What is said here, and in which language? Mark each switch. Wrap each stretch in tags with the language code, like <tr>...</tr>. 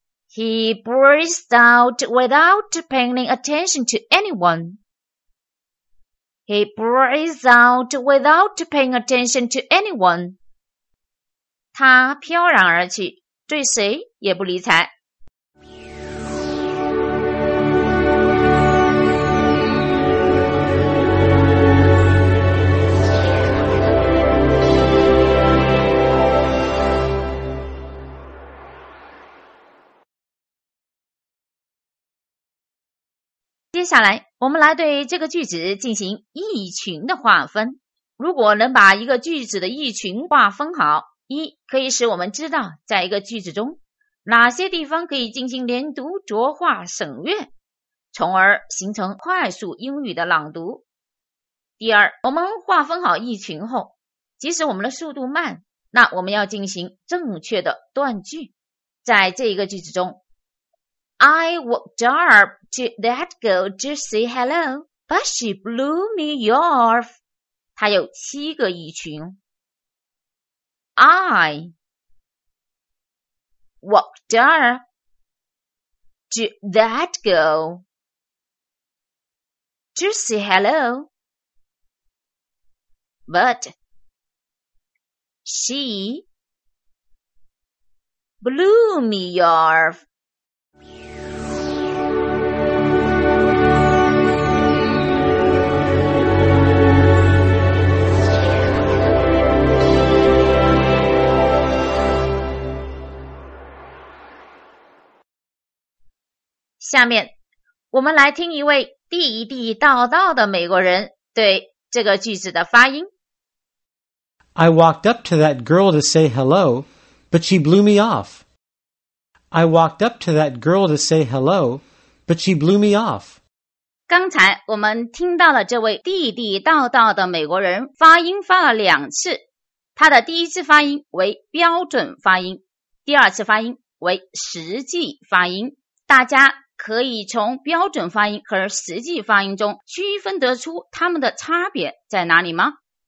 <en>He burst out without paying attention to anyone. He burst out without paying attention to anyone.</en> <zh>他飘然而去，对谁也不理睬。接下来我们来对这个句子进行意群的划分。如果能把一个句子的意群划分好，一可以使我们知道在一个句子中哪些地方可以进行连读、浊化、省略，从而形成快速英语的朗读。第二，我们划分好意群后，即使我们的速度慢，那我们要进行正确的断句。在这一个句子中，</zh> <en>I walked up to that girl to say hello, but she blew me off.</en> <zh>她有七个意群。</zh> <en>I walked up to that girl to say hello, but she blew me off.</en> <zh>下面我们来听一位地地道道的美国人对这个句子的发音。</zh> <en>I walked up to that girl to say hello, but she blew me off. I walked up to that girl to say hello, but she blew me off.</en> <zh>刚才我们听到了这位地地道道的美国人发音发了两次，他的第一次发音为标准发音，第二次发音为实际发音。大家可以从标准发音和实际发音中区分得出它们的差别在哪里吗？</zh>